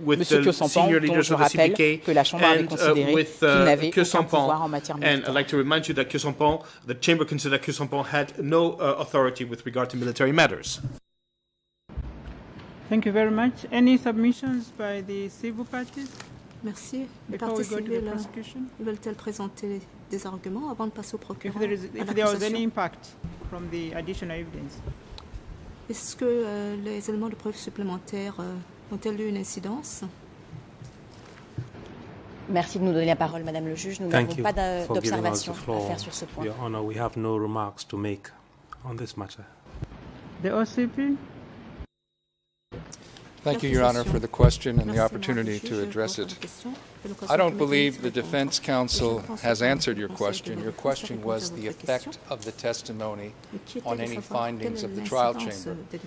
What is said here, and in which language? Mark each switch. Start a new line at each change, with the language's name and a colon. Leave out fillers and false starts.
French: Kyo-Sampan, dont je rappelle que la Chambre avait considéré qu'il n'avait aucun pouvoir en matière militaire.
English: Kyo-Sampan, the chamber considered that Kyo-Sampan had no authority with regard to military matters. Thank you very much. Any submissions by the civil parties?
French: Merci.
English: Before we go to the prosecution,
French: veulent-elles présenter des arguments avant de passer au procureur?
English: If there was any impact from the additional evidence?
French: Est-ce que les éléments de preuve supplémentaires ont-ils eu une incidence? Merci de nous donner la parole, Madame le juge. Nous n'avons pas d'observation à faire sur ce point.
English: Your Honor, we have no remarks to make on this matter. The OCP. Thank you, Your Honor, for the question and the opportunity to address it. I don't believe the defense counsel has answered your question. Your question was the effect of the testimony on any findings of the trial chamber.